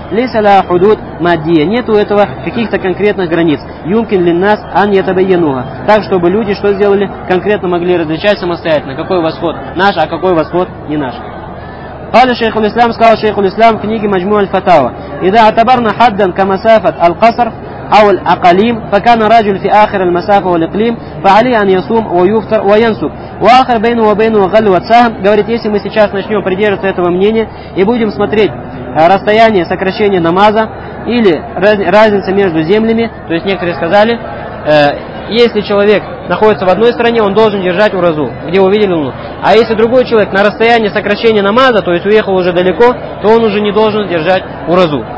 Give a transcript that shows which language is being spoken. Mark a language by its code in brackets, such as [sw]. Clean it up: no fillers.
[ar] «Лейса ля худуд мадия». [ru] Нету этого каких-то конкретных границ. [ar] «Юмкин линнас ан ятабайянуха». [ru] Так, чтобы люди что сделали? Конкретно могли различать самостоятельно, какой восход наш, а какой восход не наш. [ar] «Каля шейху ль-Ислам», [ru] сказал шейху ль-Ислам в книге «Маджму аль-Фатава». [ar] «Ида атабарна хаддан камасафат аль-касар». أو الأقليم فكان رجل في آخر المسافة والإقليم فعليه أن يصوم ويفطر وينسك وآخر بينه وبينه غلوة سهم. [ru] Говорит, если мы сейчас начнем придерживаться этого мнения и будем смотреть расстояние сокращения намаза или разница между землями, то есть некоторые сказали, если человек находится в одной стране, он должен держать уразу, где увидели луну. А если другой человек на расстоянии сокращения намаза, то есть уехал уже далеко, то он уже не должен держать уразу.